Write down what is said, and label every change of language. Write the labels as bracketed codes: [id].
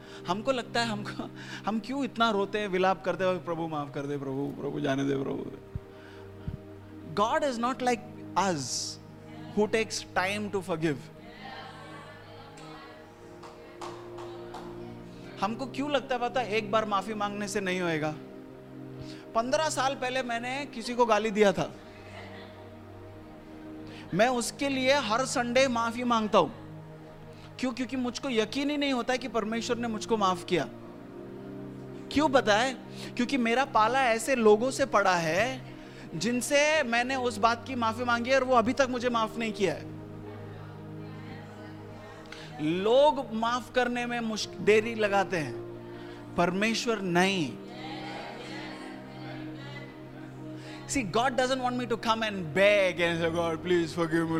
[hi] हमको लगता है हमको हम क्यों इतना रोते हैं विलाप करते हैं प्रभु माफ कर दे प्रभु प्रभु जाने दे प्रभु. [en] God is not like us who takes time to forgive. [hi] हमको क्यों लगता है पता एक बार माफी मांगने से नहीं होएगा. 15 साल पहले मैंने किसी को गाली दिया था, मैं उसके लिए हर संडे माफी मांगता हूं. क्यों? क्योंकि मुझको यकीन ही नहीं होता है कि परमेश्वर ने मुझको माफ किया. क्यों बताए? क्योंकि मेरा पाला ऐसे लोगों से पड़ा है जिनसे मैंने उस बात की माफी मांगी और वो अभी तक मुझे माफ नहीं किया है. लोग माफ करने में देरी लगाते हैं, परमेश्वर नहीं. [en] See, God doesn't want me to come and beg and say, God, please forgive me.